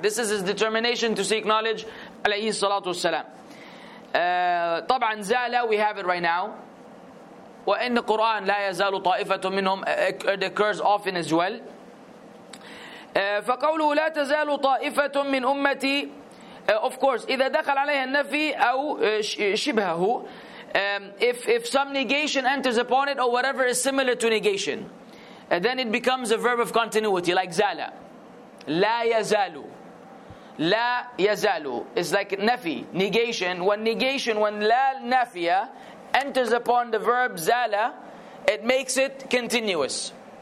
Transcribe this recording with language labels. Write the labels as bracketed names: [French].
[English] This is his determination to seek knowledge, alayhi salatu wasalam. [Arabic] طبعاً زالا, [English] we have it right now. [Arabic] وإن القرآن لا يزال طائفة منهم, [English] it occurs often as well. [Arabic] فقوله لا تزال طائفة من أمتي, [English] of course, [Arabic] إذا دخل عليها النفي أو شبهه. [English] If some negation enters upon it, or whatever is similar to negation, then it becomes a verb of continuity, like zala. La yazalu. La yazalu. It's like nafi, negation. When negation, when la nafiya enters upon the verb zala, it makes it continuous.